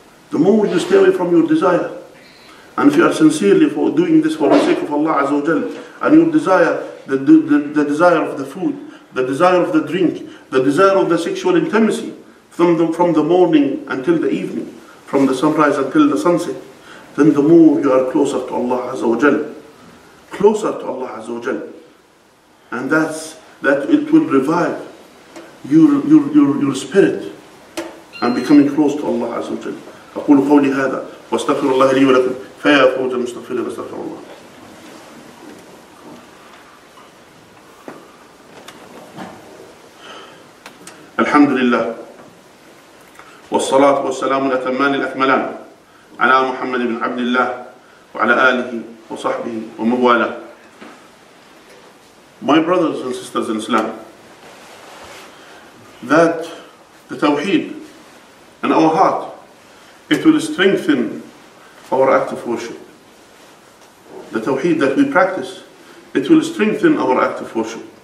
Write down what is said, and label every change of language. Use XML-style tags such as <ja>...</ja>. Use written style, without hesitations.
<en>The more you stay away from your desire, and if you are sincerely for doing this for the sake of Allah Azza wa Jal, and your desire, the desire of the food, the desire of the drink, the desire of the sexual intimacy, from the morning until the evening, from the sunrise until the sunset, then the more you are closer to Allah Azza wa Jal. Closer to Allah Azza wa Jal. And that it will revive your spirit and becoming close to Allah Azza wa Jalla.</en> <ar>أقول قولي هذا واستغفر الله لي ولكم فيا فوج المستغفرين استغفر الله. الحمد لله والصلاة والسلام الأتمان الأكملان على محمد بن عبد الله وعلى آله وصحبه ومن والاه.</ar> <en>My brothers and sisters in Islam, that the tawheed in our heart, it it will strengthen our act of worship. The tawheed that we practice, it will strengthen our act of worship.</en>